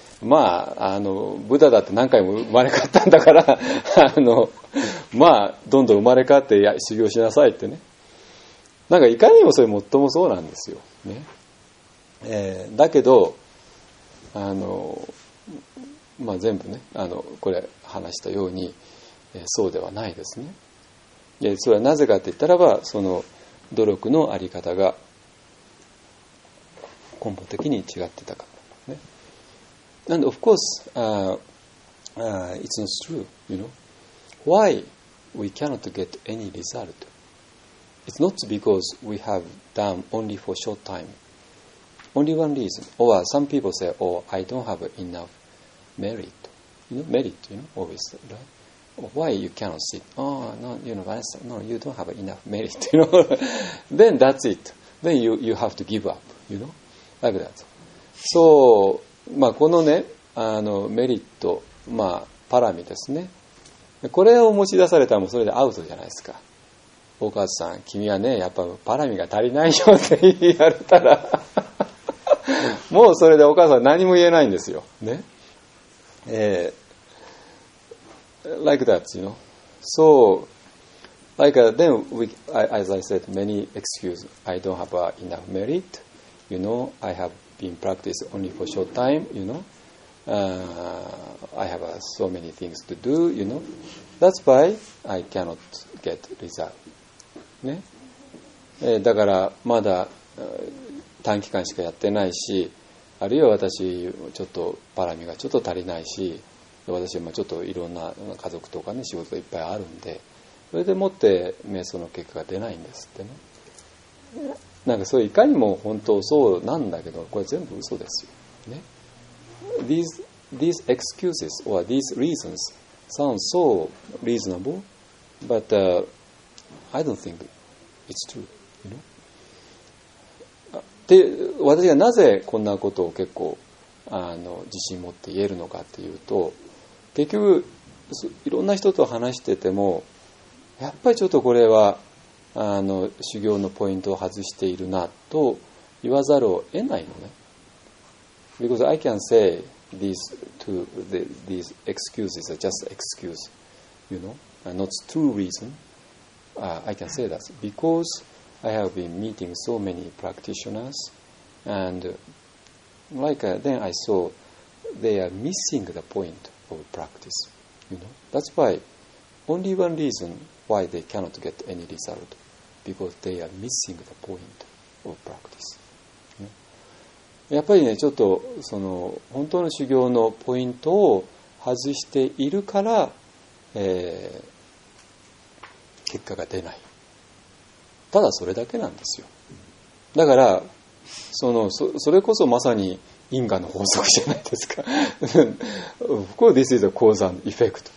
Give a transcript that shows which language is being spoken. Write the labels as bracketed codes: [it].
[ja] まあ、あの、ブダだって何回も生まれ変わったんだから、あの、まあどんどん生まれ変わって修行しなさいってね、なんかいかにもそれもっともそうなんですよ、ね、だけどあの、まあ、全部ねあのこれ話したように、そうではないですね。でそれはなぜかって言ったらばその努力のあり方が根本的に違ってたからね。 [en] And of course it's not true, you knowWhy we cannot get any result? It's not because we have done only for short time. Only one reason. Or some people say, oh, I don't have enough merit. You know, merit, you know, always, right? Why you cannot sit? Oh, no, you know, Vanessa, no, you don't have enough merit, you know. Then that's it. Then you have to give up, you know, like that. So, [ja] まあ、このね、あの、メリット、まあ、パラミですね。これを持ち出されたらもうそれでアウトじゃないですか。大川さん、君はね、やっぱパラミが足りないよって言われたら、もうそれでお母さん何も言えないんですよ。ね。 [en] Like that, you know. So, like then, as I said, many excuses. I don't have enough merit. You know, I have been practicing only for short time, you know. I have so many things to do, you know. That's why I cannot get result. [ja] ね。だからまだ短期間しかやってないし、あるいは私ちょっとパラミがちょっと足りないし、私もちょっといろんな家族とかね仕事いっぱいあるんで、それでもって瞑想の結果が出ないんですってね。なんかそういかにも本当そうなんだけど、これ全部嘘ですよ。ね。 [en] These excuses or these reasons sound so reasonable, but I don't think it's true. You know? [ja] で、私がなぜこんなことを結構あの自信持って言えるのかっていうと、結局いろんな人と話しててもやっぱりちょっとこれはあの修行のポイントを外しているなと言わざるを得ないのね。 [en] Because I can say these excuses are just excuse, you know, and not true reason. I can say that because I have been meeting so many practitioners, and then I saw they are missing the point of practice. You know, that's why only one reason why they cannot get any result because they are missing the point of practice. [ja] やっぱりね、ちょっとその本当の修行のポイントを外しているから、結果が出ない。ただそれだけなんですよ。だからそれこそまさに因果の法則じゃないですか。 [en] Of course, this is a cause and effect.